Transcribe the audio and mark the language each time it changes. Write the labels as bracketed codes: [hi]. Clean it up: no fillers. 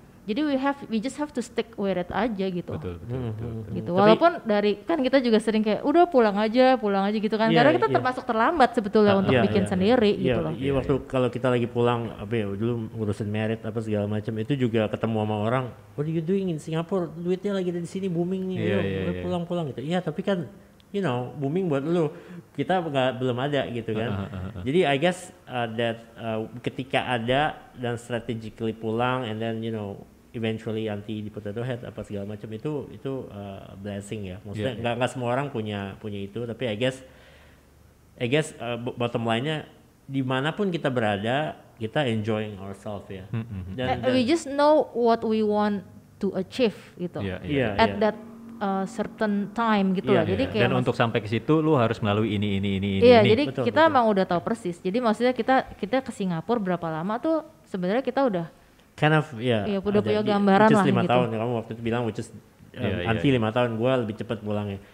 [en] Jadi we just have to stick with it aja gitu. [id] Betul. Gitu. Walaupun dari kan kita juga sering kayak udah pulang aja gitu kan. Karena kita termasuk terlambat sebetulnya untuk bikin sendiri gitu loh. Iya, waktu kalau kita lagi pulang apa ya, dulu ngurusin merit apa segala macam itu juga ketemu sama orang, [en] "What are you doing in Singapore? [id] Duitnya lagi di sini booming nih." Pulang-pulang gitu. Iya, tapi kan you know, booming buat lu. Kita belum ada gitu kan. Jadi I guess ketika ada dan strategically pulang [en] and then you know eventually [id] anti di potato head apa segala macam itu blessing ya. Maksudnya enggak semua orang punya itu, tapi I guess bottom line-nya dimanapun kita berada, kita [en] enjoying ourselves [id] ya. [en] Dan we just know what we want to achieve gitu. At that [id] certain time gitu lah. Jadi kayak dan untuk sampai ke situ lu harus melalui ini. Iya, jadi betul. Emang udah tahu persis. Jadi maksudnya kita ke Singapura berapa lama tuh sebenarnya kita udah [en] kind of [id] udah punya gambaran lah 5 gitu. Tahun kamu waktu itu bilang which is anti 5 tahun, gua lebih cepat pulangnya.